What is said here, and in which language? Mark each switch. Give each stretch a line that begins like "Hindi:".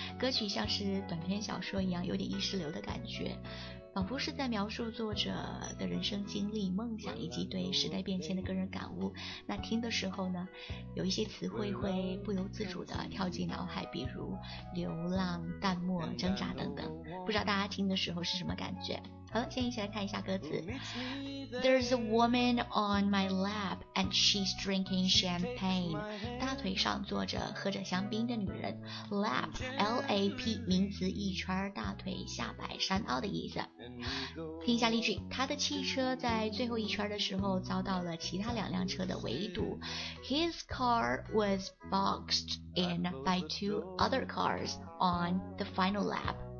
Chinese: 歌曲像是短篇小说一样，有点意识流的感觉，仿佛是在描述作者的人生经历、梦想以及对时代变迁的个人感悟。那听的时候呢，有一些词汇会不由自主地跳进脑海，比如流浪、淡漠、挣扎等等。不知道大家听的时候是什么感觉？好了，现在一起来看一下歌词。
English: There's a woman on my lap and she's drinking champagne.
Chinese: 大腿上坐着喝着香槟的女人。Lap, L-A-P, 名词一圈大腿下摆山凹的意思。听一下例句，他的汽车在最后一圈的时候遭到了其他两辆车的围堵。
English: His car was boxed in by two other cars on the final lap.